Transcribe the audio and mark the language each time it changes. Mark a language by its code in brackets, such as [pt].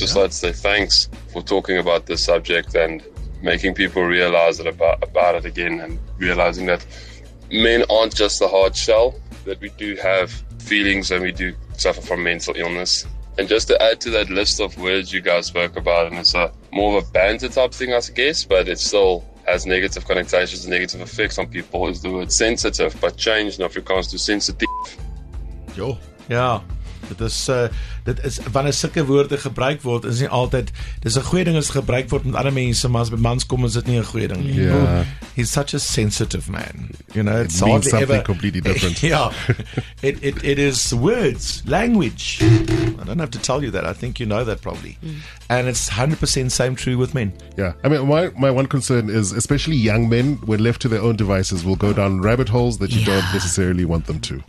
[en] Just let's say thanks for talking about this subject and making people realize that about it again, and realizing that men aren't just the hard shell, that we do have feelings and we do suffer from mental illness. And just to add to that list of words you guys spoke about, and it's a more of a banter type thing, I guess, but it still has negative connotations and negative effects on people, is the word sensitive, but change in Afrikaans to sensitive. Jo. Yeah. [af] Dit is wanneer sulke woorde gebruik word, is nie altyd, dis 'n goeie ding as gebruik word met ander mense, maar as by mans kom is dit nie 'n goeie ding nie. [en] Yeah. Oh, he's such a sensitive man. You know, it's means something ever, completely different. Yeah. It is words, language. I don't have to tell you that. I think you know that probably. Mm. And it's 100% same true with men. Yeah. I mean, my one concern is, especially young men, when left to their own devices, will go down rabbit holes that you don't necessarily want them to.